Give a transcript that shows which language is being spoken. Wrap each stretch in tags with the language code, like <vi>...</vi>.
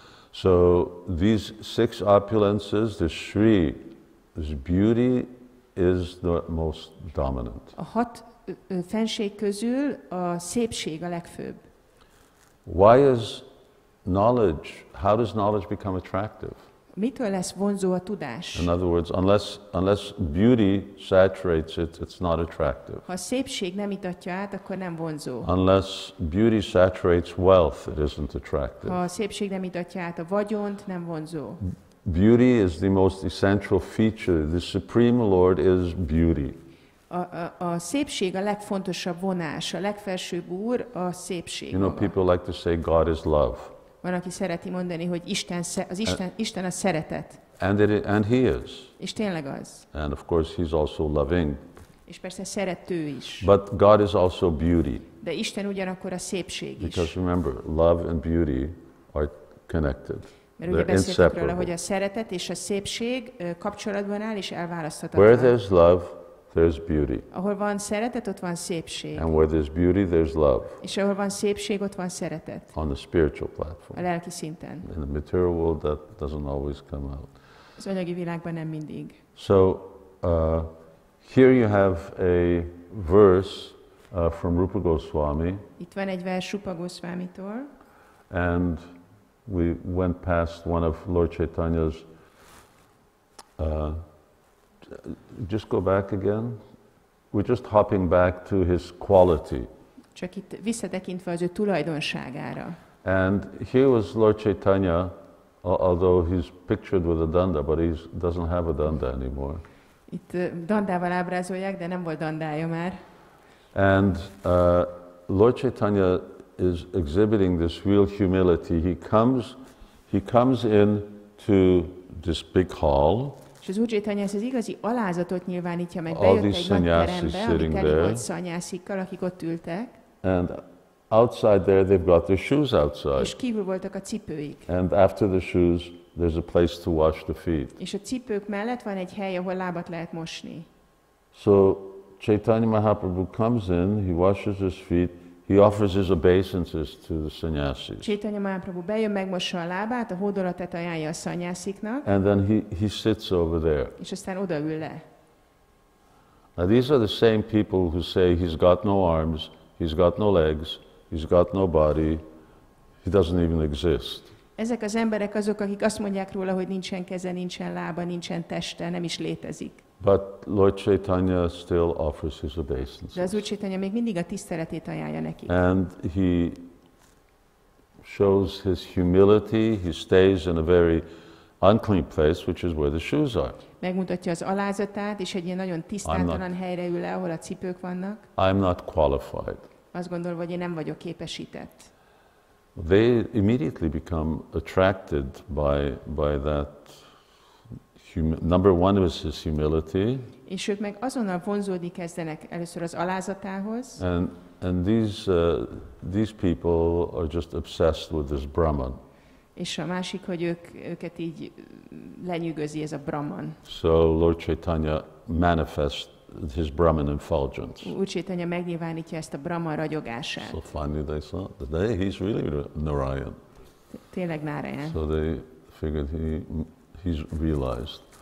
<en>So these six opulences, the Shri, this beauty is the most dominant.</en> <hu>A hat fenség közül a szépség a legfőbb.</hu> <en>Why is knowledge, how does knowledge become attractive?</en> <hu>Mitől lesz vonzó a tudás?</hu> <en>In other words, unless beauty saturates it, it's not attractive.</en> <hu>Ha a szépség nem itatja át, akkor nem vonzó.</hu> <en>Unless beauty saturates wealth, it isn't attractive.</en> <hu>Ha a szépség nem itatja át a vagyont, nem vonzó.</hu> <en>Beauty is the most essential feature. The Supreme Lord is beauty.</en> <hu>A szépség a legfontosabb vonás, a legfelsőbb úr a szépség.</hu> <en>You know, people like to say God is love.</en> <hu>Van, aki szereti mondani, hogy Isten a szeretet.</hu> <en>And he is.</en> <hu>És tényleg az.</hu> <en>And of course he's also loving.</en> <hu>És persze szerető is.</hu> <en>But God is also beauty.</en> <hu>De Isten ugyanakkor a szépség is.</hu> <en>Because remember, love and beauty are connected.</en> <hu>Mert ugye beszéltük róla, hogy a szeretet és a szépség kapcsolatban áll és elválasztatatlan.</hu> <en>Where there's love, there's beauty.</en> <hu>Ahol van szeretet, ott van szépség.</hu> <en>And where there's beauty, there's love.</en> <hu>És ahol van szépség, ott van szeretet.</hu> <en>On the spiritual platform.</en> <hu>A lelki szinten.</hu> <en>In the material world, that doesn't always come out.</en> <hu>Az anyagi világban nem mindig.</hu> <en>So, here you have a verse from Rupa Goswami.</en> <hu>Itt van egy vers Rupa Goswami-tól.</hu> <en>And we went past one of Lord Chaitanya's just go back again. We're just hopping back to his quality.</en> <hu>Csak itt visszatekintve az ő tulajdonságára.</hu> <en>And here was Lord Chaitanya, although he's pictured with a danda, but he doesn't have a danda anymore.</en> <hu>Itt dandával ábrázolják, de nem volt dandája már.</hu> <en>And Lord Chaitanya is exhibiting this real humility. He comes in to this big hall.</en> <hu>És az Úr Chaitanya ezt az igazi alázatot nyilvánítja meg, bejött egy nagy terembe, ami teli volt szanyászikkal, akik ott ültek.</hu> <en>And outside there they've got their shoes outside.</en> <hu>És kívül voltak a cipőik.</hu> <en>And after the shoes there's a place to wash the feet.</en> <hu>És a cipők mellett van egy hely, ahol lábat lehet mosni.</hu> <en>So Chaitanya Mahaprabhu comes in, he washes his feet. He offers his obeisances to the sannyasis.</en> <hu>Chaitanya Mahaprabhu bejön, megmossa a lábát, a hódolatát ajánlja a sannyasiknak.</hu> <en>And then he sits over there.</en> <hu>És aztán odaül le.</hu> <en>Now these are the same people who say he's got no arms, he's got no legs, he's got no body, he doesn't even exist.</en> <hu>Ezek az emberek azok, akik azt mondják róla, hogy nincsen keze, nincsen lába, nincsen teste, nem is létezik.</hu> <en>But Lord Chaitanya still offers his obeisances.</en> <hu>De az Úr Chaitanya még mindig a tiszteletét ajánlja neki.</hu> <en>And he shows his humility. He stays in a very unclean place, which is where the shoes are.</en> <hu>Megmutatja az alázatát, és egy ilyen nagyon tisztátalan helyre ül le, ahol a cipők vannak.</hu> <en>I'm not qualified.</en> <hu>Azt gondol, hogy én nem vagyok képesített.</hu> <en>They immediately become attracted by that. Number one was his humility.</en> <hu>És ők meg azonnal vonzódni kezdenek először az alázatához.</hu> <en>And these people are just obsessed with this Brahman.</en> <hu>És a másik, hogy őket így lenyűgözi ez a Brahman.</hu> <en>So Lord Chaitanya manifests his Brahman effulgence.</en> <hu>Úr Chaitanya megnyilvánítja ezt a Brahman ragyogását.</hu> <en>So finally they saw that he's really Narayan.</en> <hu>Tényleg Narayan.</hu> <en>So they figured he's realized.</en>